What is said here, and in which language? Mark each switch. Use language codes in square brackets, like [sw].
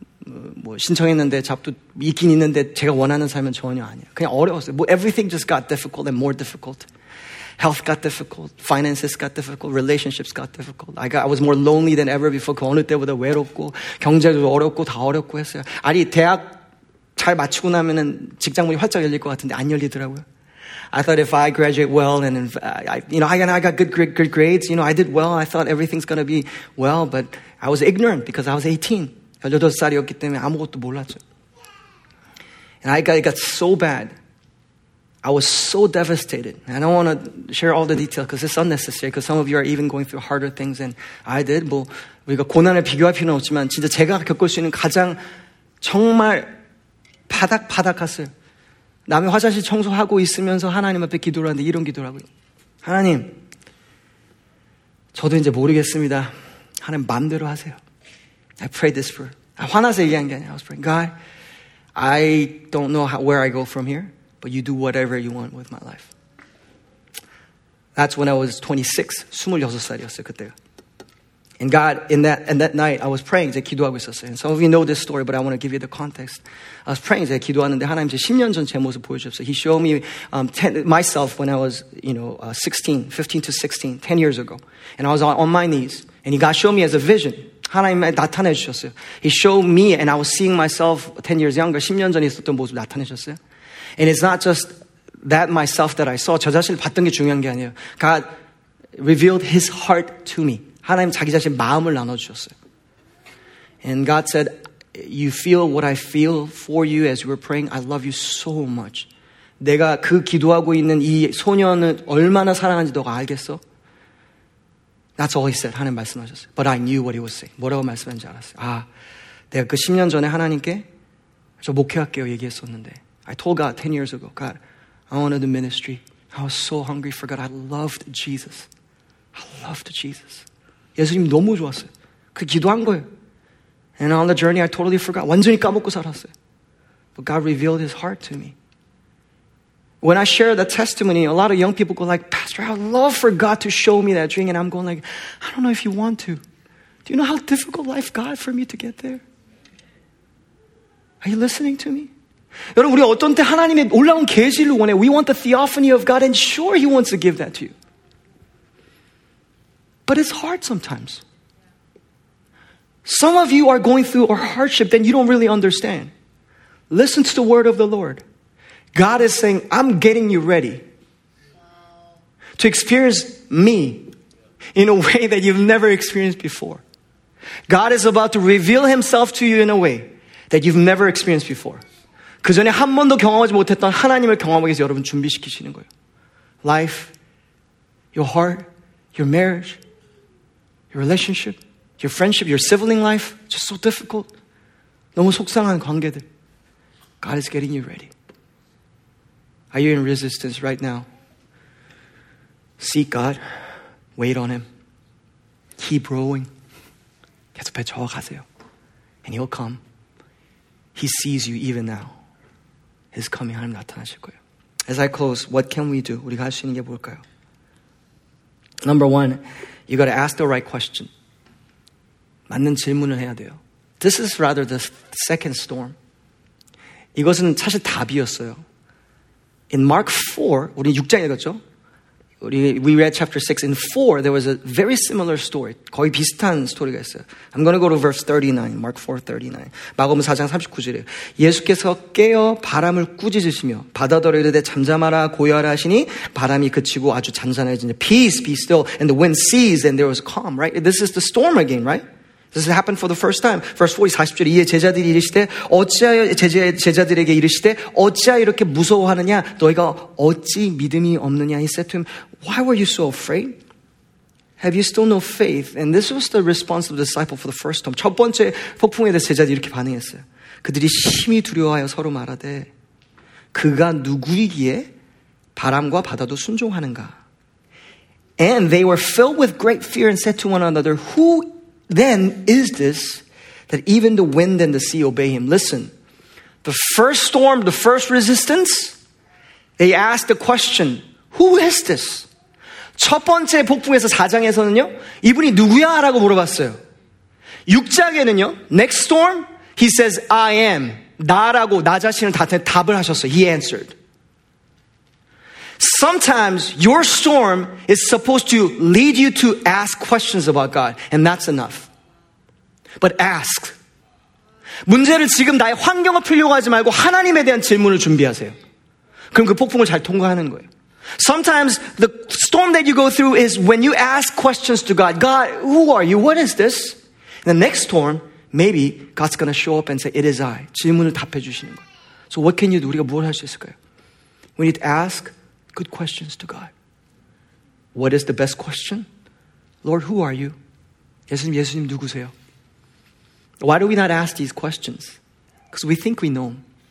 [ko] 뭐 신청했는데 잡도 있긴 있는데 제가 원하는 삶은 전혀 아니에요. 그냥 어려웠어요. [en] 뭐 everything just got difficult and more difficult. Health got difficult. Finances got difficult. Relationships got difficult. I was more lonely than ever before. [ko] 그 어느 때보다 외롭고 경제도 어렵고 다 어렵고 했어요. 아니 대학 잘 마치고 나면은 직장 문이 활짝 열릴 것 같은데 안 열리더라고요. [en] I thought if I graduate well and I got good grades, you know, I did well. I thought everything's going to be well, but I was ignorant because I was 18. [ko] 18살이었기 때문에 아무것도 몰랐죠. [en] And I got so bad. I was so devastated. I don't want to share all the details because it's unnecessary because some of you are even going through harder things than I did. [ko] 뭐 우리가 고난을 비교할 필요는 없지만 진짜 제가 겪을 수 있는 가장 정말 바닥바닥 갔어요. 남의 화장실 청소하고 있으면서 하나님 앞에 기도를 하는데 이런 기도라고요. 하나님, 저도 이제 모르겠습니다. 하나님 마음대로 하세요. [en] I pray this for. [ko] 아, 화나서 얘기한 게 아니에요. [en] I was praying, God, I don't know where I go from here, but you do whatever you want with my life. That's when I was 26, [ko] 26살이었어요, 그때가. [en] And God, in that night, I was praying, [ko] 이제 기도하고 있었어요. [en] And some of you know this story, but I want to give you the context. I was praying, [ko] 이제 기도하는데 하나님 이제 10년 전 제 모습 보여주셨어요. [en] He showed me myself when I was, you know, 15 to 16, 10 years ago. And I was on my knees. And God showed me as a vision. [ko] 하나님 나타내주셨어요. [en] He showed me, and I was seeing myself 10 years younger, [ko] 10년 전에 있었던 모습 나타내셨어요. [en] And it's not just that myself that I saw. [ko] 저 자신을 봤던 게 중요한 게 아니에요. [en] God revealed his heart to me. [ko] 하나님 자기 자신 마음을 나눠주셨어요. [en] And God said, you feel what I feel for you as you were praying. I love you so much. [ko] 내가 그 기도하고 있는 이 소년을 얼마나 사랑하는지 너가 알겠어? [en] That's all he said. [ko] 하나님 말씀하셨어요. [en] But I knew what he was saying. [ko] 뭐라고 말씀하는지 알았어요. 아, 내가 그 10년 전에 하나님께 저 목회할게요 얘기했었는데. [en] I told God 10 years ago, God, I want to do ministry. I was so hungry for God. I loved Jesus. I loved Jesus. [ko] 예수님 너무 좋았어요. 그 기도한 거예요. [en] And on the journey, I totally forgot. [ko] 완전히 까먹고 살았어요. [en] But God revealed his heart to me. When I share the testimony, a lot of young people go like, Pastor, I would love for God to show me that dream. And I'm going like, I don't know if you want to. Do you know how difficult life got for me to get there? Are you listening to me? [ko] 여러분, 우리 어떤 때 하나님의 올라온 계시를 원해. [en] We want the theophany of God, and sure, he wants to give that to you. But it's hard sometimes. Some of you are going through a hardship that you don't really understand. Listen to the word of the Lord. God is saying, I'm getting you ready to experience me in a way that you've never experienced before. God is about to reveal himself to you in a way that you've never experienced before. [ko] 그 전에 한 번도 경험하지 못했던 하나님을 경험하기 위해서 여러분 준비시키시는 거예요. [en] Life, your heart, your marriage, your relationship, your friendship, your sibling life, just so difficult. [ko] 너무 속상한 관계들. [en] God is getting you ready. Are you in resistance right now? Seek God. Wait on him. Keep rowing. [ko] 계속 배 저어가세요. [en] And he'll come. He sees you even now. He's coming. [ko] 하나님 나타나실 거예요. [en] As I close, what can we do? [ko] 우리가 할 수 있는 게 뭘까요? [en] Number one, you got to ask the right question. [ko] 맞는 질문을 해야 돼요. [en] This is rather the second storm. [ko] 이것은 사실 답이었어요. [en] In Mark 4, [ko] 우리 6장 읽었죠? [en] We read chapter 6. In 4, there was a very similar story. [ko] 거의 비슷한 스토리가 있어요. [en] I'm going to go to verse 39, Mark 4, 39. [ko] 마가복음 4장 39절이에요. 예수께서 깨어 바람을 꾸짖으시며 바다더러 이르되 잠잠하라 고요하라 하시니 바람이 그치고 아주 잔잔해지니 [en] peace, be still, and the wind ceased, and there was calm, right? This is the storm again, right? This happened for the first time. Verse 40, 40절. [ko] 이에 제자들이 이르시되 어찌하여 제자들에게 이르시되 어찌하여 이렇게 무서워하느냐 너희가 어찌 믿음이 없느냐. [en] He said to him, why were you so afraid? Have you still no faith? And this was the response of the disciple for the first time. [ko] 첫 번째 폭풍에 대해 제자들이 이렇게 반응했어요. 그들이 심히 두려워하여 서로 말하되 그가 누구이기에 바람과 바다도 순종하는가. [en] And they were filled with great fear and said to one another, who then is this that even the wind and the sea obey him? Listen, the first storm, the first resistance, they asked the question, who is this? [ko] 첫 번째 폭풍에서 4장에서는요, 이분이 누구야? 라고 물어봤어요. 6장에는요, [en] next storm, He says, I am. [ko] 나라고 나 자신을 답을 하셨어. [en] He answered. Sometimes your storm is supposed to lead you to ask questions about God. And that's enough. But ask. [ko] 문제를 지금 나의 환경을 풀려고 하지 말고 하나님에 대한 질문을 준비하세요. 그럼 그 폭풍을 잘 통과하는 거예요. [en] Sometimes the storm that you go through is when you ask questions to God. God, who are you? What is this? And the next storm, maybe God's going to show up and say, it is I. [ko] 질문을 답해 주시는 거예요. [en] So what can you do? [ko] 우리가 뭘 할 수 있을까요? [en] We need to ask good questions to God. What is the best question? Lord, who are you? [ko] 예수님, 예수님 누구세요? [en] Why do we not ask these questions? Because we think we know him.